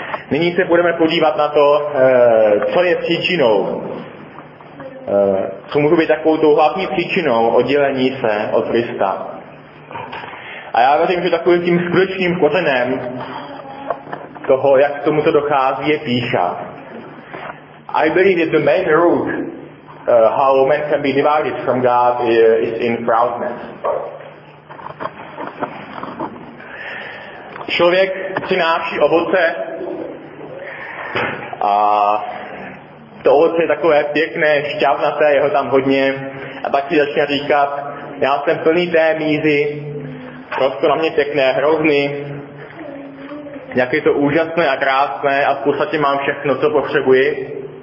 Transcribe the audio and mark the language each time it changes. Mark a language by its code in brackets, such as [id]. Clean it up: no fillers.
[cs] Nyní se budeme podívat na to, co je příčinou. Co může být takovou tou hlavní příčinou oddělení se od Krista. A já věřím, že takovým tím skutečným kořenem toho, jak k tomuto dochází, je pýcha. [en] I believe that the main root how man can be divided from God is in proudness. [cs] Člověk přináší ovoce a to ovoce je takové pěkné, šťavnaté, je ho tam hodně. A pak si začne říkat, já jsem plný té mízy, prostě na mě pěkné, hrozný, jak je to úžasné a krásné a v podstatě mám všechno, co potřebuji.